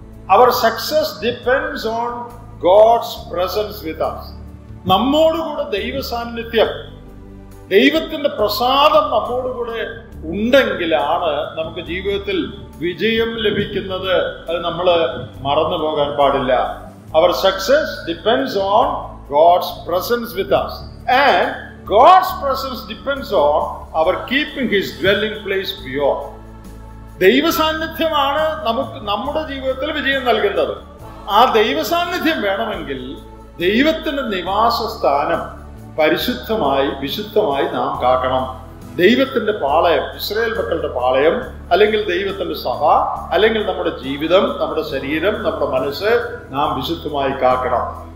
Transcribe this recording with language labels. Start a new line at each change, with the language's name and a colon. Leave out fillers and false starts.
English: Our success depends on God's presence with us.
Malayalam: നമ്മോടുകൂടെ ദൈവ സാന്നിധ്യം, ദൈവത്തിന്റെ പ്രസാദം നമ്മോടുകൂടെ ഉണ്ടെങ്കിലാണ് നമുക്ക് ജീവിതത്തിൽ വിജയം ലഭിക്കുന്നത്. അത് നമ്മൾ മറന്നു പോകാൻ പാടില്ല.
English: Our success depends on God's presence with us and God's presence depends on our keeping his dwelling place pure.
Malayalam: ദൈവസാന്നിധ്യമാണ് നമുക്ക് നമ്മുടെ ജീവിതത്തിൽ വിജയം നൽകുന്നത്. ആ ദൈവസാന്നിധ്യം വേണമെങ്കിൽ ദൈവത്തിന്റെ നിവാസ സ്ഥാനം പരിശുദ്ധമായി വിശുദ്ധമായി നാം കാക്കണം. ദൈവത്തിന്റെ പാളയം, ഇസ്രായേൽ മക്കളുടെ പാളയം, അല്ലെങ്കിൽ ദൈവത്തിന്റെ സഭ, അല്ലെങ്കിൽ നമ്മുടെ ജീവിതം, നമ്മുടെ ശരീരം, നമ്മുടെ മനസ്സ് നാം വിശുദ്ധമായി കാക്കണം.